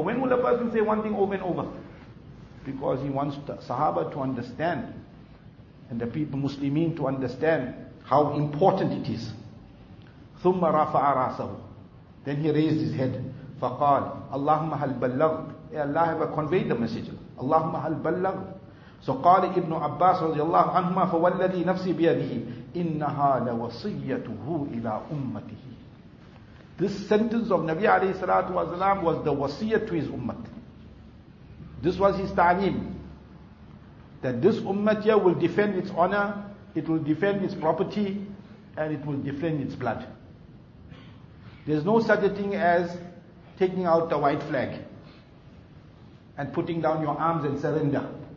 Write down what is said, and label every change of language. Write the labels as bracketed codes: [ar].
[en] When will a person say one thing over and over? Because he wants the Sahaba to understand, and the people, Muslimin, to understand how important it is. [ar] ثُمَّ رَفَعَ رَاسَهُ [en] Then he raised his head. [ar] فَقَالْ اللَّهُمَّ هَلْ بَلَّغْتْ [en] Ya Allah, have I conveyed the message? [ar] اللَّهُمَّ هَلْ بَلَّغْتْ [en] So [ar] قَالِ إِبْنُ عَبَّاسِ رَضِيَ اللَّهُ عَنْهُمَا فَوَلَّذِي نَفْسِي بِيَدِهِ إِنَّهَا لَوَصِيَّتُهُ إِلَىٰ أُمَّتِهِ [en] This sentence of Nabi alayhi salatu wa salam was the wasiyah to his ummah. This was his ta'lim. That this ummah here will defend its honor, it will defend its property, and it will defend its blood. There's no such a thing as taking out the white flag and putting down your arms and surrender.